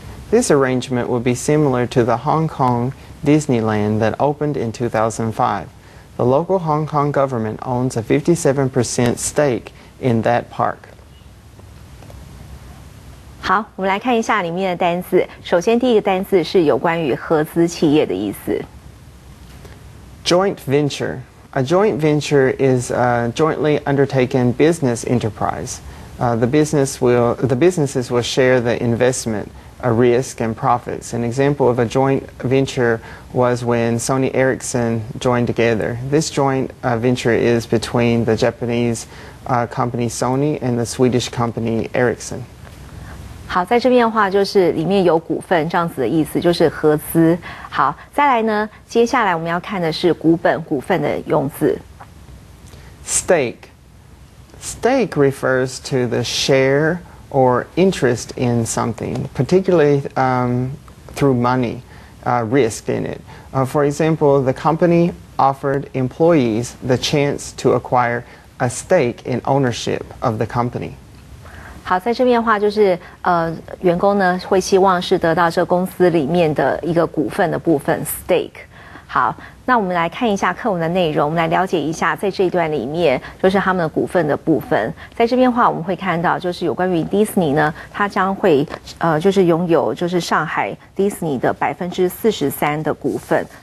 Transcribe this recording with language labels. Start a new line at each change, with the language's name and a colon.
English: This arrangement would be similar to the Hong Kong Disneyland that opened in 2005. The local Hong Kong government owns a 57% stake in that park.
Chinese: 好，我们来看一下里面的单字。首先第一个单字是有关于合资企业的意思。
English: Joint venture. A joint venture is a jointly undertaken business enterprise. The businesses will share the investment, a risk and profits. An example of a joint venture was when Sony Ericsson joined together. This joint venture is between the Japanese company Sony and the Swedish company Ericsson.
Chinese: 好，在这边的话就是里面有股份这样子的意思，就是合资。好，再来呢，接下来我们要看的是股本、股份的用字。
English: Stake. Stake refers to the share or interest in something, particularly through money, risk in it. For example, the company offered employees the chance to acquire a stake in ownership of the company.
Chinese: 好，在这边的话就是员工呢会希望是得到这公司里面的一个股份的部分 stake。好，那我们来看一下课文的内容，我们来了解一下在这一段里面就是他们的股份的部分。在这边的话我们会看到就是有关于 Disney 呢，它将会就是拥有就是上海 Disney 的43%的股份。